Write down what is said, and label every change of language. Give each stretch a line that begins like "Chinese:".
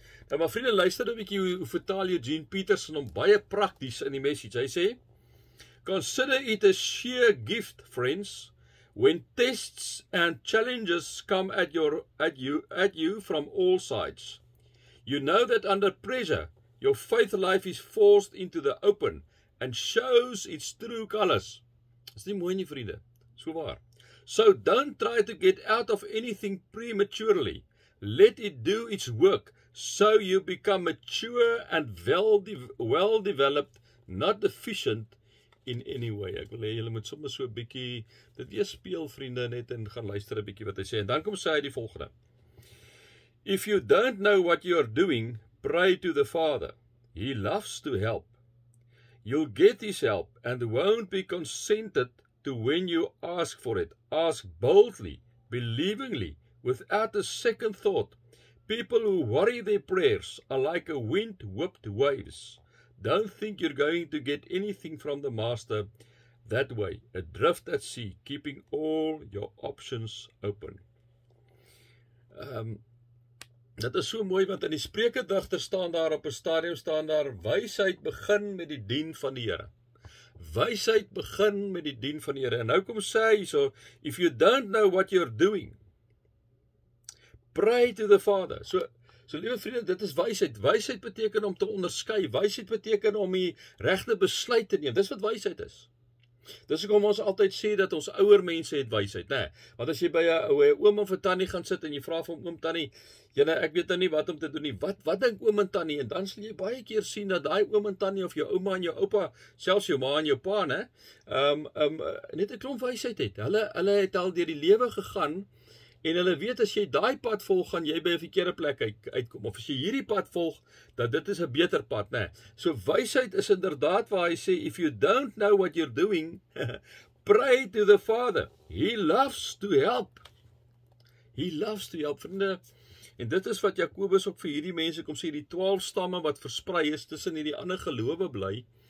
Afrikaans: Nou maar vriende, luister 'n bietjie hoe vertaal Eugene Peterson om baie prakties in die message. Hy sê,
English: consider it a sheer gift, friends, when tests and challenges come at you from all sides. You know that under pressure, your faith life is forced into the open and shows its true colors.
Afrikaans: Is nie mooi nie, vriende? So waar.
English: So don't try to get out of anything prematurely. Let it do its work so you become mature and well-developed, not deficient in any way.
Afrikaans: Ek wil hê julle moet sommer so 'n bietjie dit weer speel, vriende, net en gaan luister 'n bietjie wat hy sê. En dan kom sy die volgende.
English: If you don't know what you are doing, pray to the Father. He loves to help. You'll get his help and won't be consented to when you ask for it. Ask boldly, believingly, without a second thought. People who worry their prayers are like a wind-whipped waves. Don't think you're going to get anything from the Master that way. Adrift at sea, keeping all your options open.
Afrikaans: Dit is so mooi, want in die spreekgedigte staan daar op 'n stadium, staan daar, wysheid begin met die dien van die Here. Wysheid begin met die dien van die Here. En nou kom sê hy so,
English: if you don't know what you're doing, pray to the Father.
Afrikaans: So liewe vriende, dit is wysheid. Wysheid beteken om te onderskei. Wysheid beteken om die regte besluit te neem. Dis wat wysheid is. Dis hoekom ons altyd sê dat ons ouer mense het wysheid, né? Want as jy by 'n oom of 'n tannie gaan sit en jy vra van oom tannie, jene, ek weet nou nie wat om te doen nie. Wat dink oom en tannie? En dan sal jy baie keer sien dat daai oom en tannie of jou ouma en jou oupa, selfs jou ma en jou pa, né? Net 'n klomp wysheid het. Hulle het al deur die lewe gegaan En hulle weet as jy daai pad volg, gaan jy by 'n verkeerde plek uitkom. Of as jy hierdie pad volg, dat dit is 'n beter pad, né? So wysheid is inderdaad waar hy sê
English: if you don't know what you're doing, pray to the Father. He loves to help. He loves to help, vriende.
Afrikaans: En dit is wat Jakobus ook vir hierdie mense kom sê, die 12 stamme wat versprei is tussen hierdie ander gelowe bly.